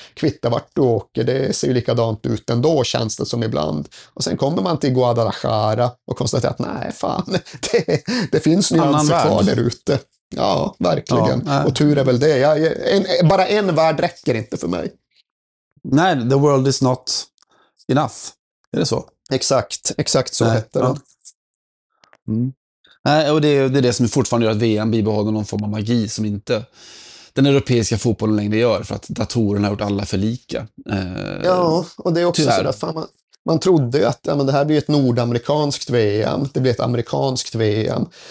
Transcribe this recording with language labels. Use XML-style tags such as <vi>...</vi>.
<sv>Kvittar vart du åker, det ser ju likadant ut ändå, känns det som ibland. Och sen kommer man till Guadalajara och konstaterar att nej, fan, det finns nyanser kvar där ute. Ja, verkligen. Ja, och tur är väl det. Bara en värld räcker inte för mig.</sv> <en>Nej, the world is not enough.</en> <sv>Är det så? Exakt så nej, heter det. Nej, och det är det som fortfarande gör att VM bibehåller någon form av magi som inte den europeiska fotbollen längre gör, för att datorerna har gjort alla för lika. Ja, och det är också tyvärr. Så att man trodde ju att ja, men det här blir ett nordamerikanskt VM, det blir ett amerikanskt VM.</sv>